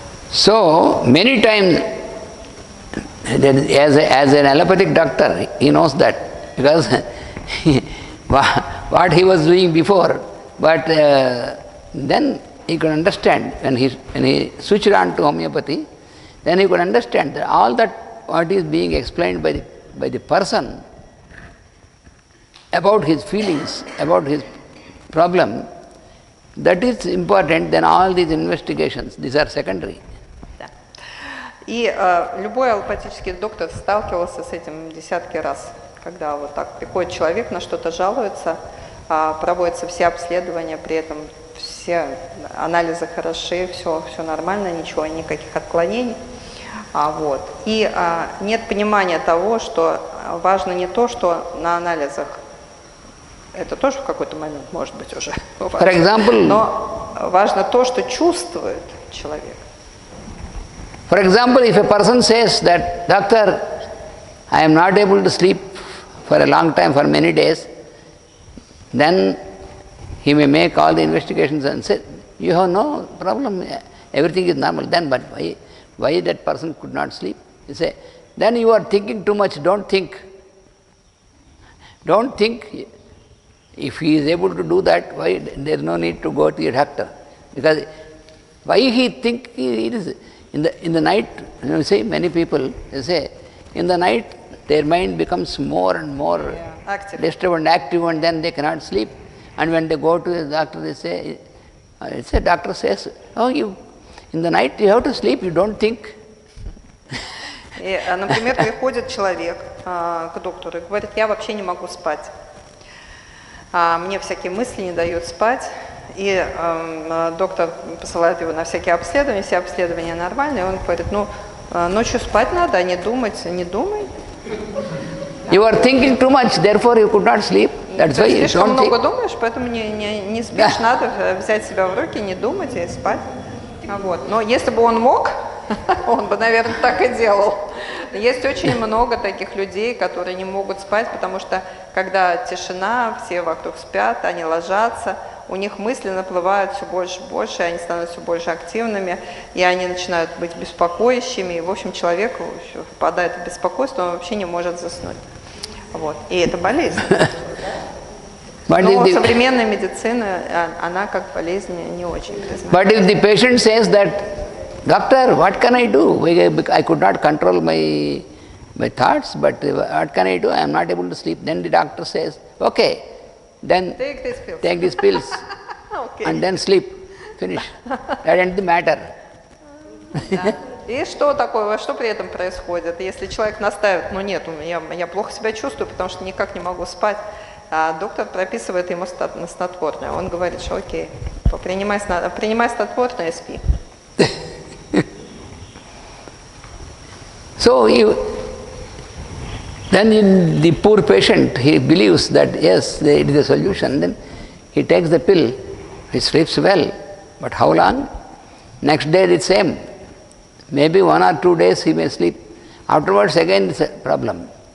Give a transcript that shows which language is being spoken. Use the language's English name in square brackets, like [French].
[English] So many times, then as an allopathic doctor, he knows that because what he was doing before, but then he could understand when he switched on to homeopathy, then he could understand that all that what is being explained by the person about his feelings, about his problem, that is important. Then all these investigations, these are secondary. [Russian] И любой аллопатический доктор сталкивался с этим десятки раз, когда вот так приходит человек, на что-то жалуется, проводятся все обследования, при этом все анализы хороши, все нормально, ничего, никаких отклонений. Вот. И нет понимания того, что важно не то, что на анализах это тоже в какой-то момент может быть уже. [English] For example, [Russian] но важно то, что чувствует человек. [English] For example, if a person says that, doctor, I am not able to sleep for a long time, for many days, then he may make all the investigations and say, you have no problem, everything is normal. Then, but why that person could not sleep? You say, then you are thinking too much, don't think. Don't think, if he is able to do that, why there is no need to go to a doctor? Because why he think he is, in the night, you say, many people, you say, in the night, their mind becomes more and more disturbed and active, and then they cannot sleep. And when they go to the doctor, they say, it's a doctor says, oh, you, in the night you have to sleep, you don't think. [Russian] И, например, приходит человек к доктору и говорит, я вообще не могу спать. Мне всякие мысли не дают спать. И доктор посылает его на всякие обследования, все обследования нормальные. Он говорит, ну, ночью спать надо, а не думать, не думай. [English] You are thinking too much, therefore you could not sleep. That's why you [Russian] слишком много думаешь, поэтому не спишь, yeah. Надо взять себя в руки, не думать и спать. Вот. Но если бы он мог, он бы, наверное, так и делал. Есть очень много таких людей, которые не могут спать, потому что когда тишина, все вокруг спят, они ложатся, у них мысли наплывают все больше и больше, они становятся все больше активными, и они начинают быть беспокоящими. И, в общем, человек впадает в беспокойство, он вообще не может заснуть. Вот. И это болезнь. Но современная медицина, она как болезнь не очень признается. [English] But if the patient says that, doctor, what can I do? I could not control my thoughts, but what can I do? I am not able to sleep. Then the doctor says, okay, then take these pills, okay. And then sleep, finish. That ends the matter. [Russian] И что такое, что при этом происходит? Если человек настаивает, ну нет, я плохо себя чувствую, потому что никак не могу спать, а доктор прописывает ему снотворное. Он говорит, что окей, принимай снотворное и спи. [English] So you, then in the poor patient, he believes that yes, it is a solution. Then he takes the pill, he sleeps well, but how long? Next day the same. Maybe one or two days he may sleep. Afterwards again it's a problem.